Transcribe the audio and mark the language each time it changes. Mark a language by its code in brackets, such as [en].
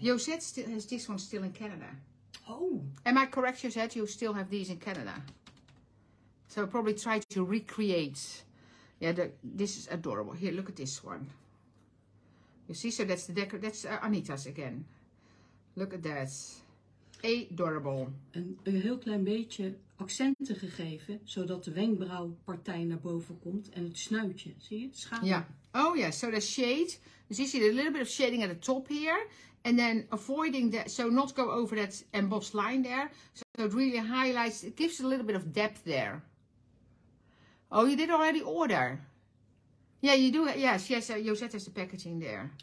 [en] Josette still has this one still in Canada. Oh. Am I correct, Josette? You still have these in Canada. So I probably try to recreate. Yeah, this is adorable. Here, look at this one. You see, so that's the that's Anita's again. Look at that. Adorable. [nl] Een heel klein beetje accenten gegeven, zodat de wenkbrauwpartij naar boven komt en het snuitje, zie je? Schaduw. [en] Yeah. Oh yeah, so the shade. So you see a little bit of shading at the top here. And then avoiding that, so not go over that embossed line there. So it really highlights, it gives a little bit of depth there. Oh, you did already order. Yeah, you do. Yes. Josette has the packaging there.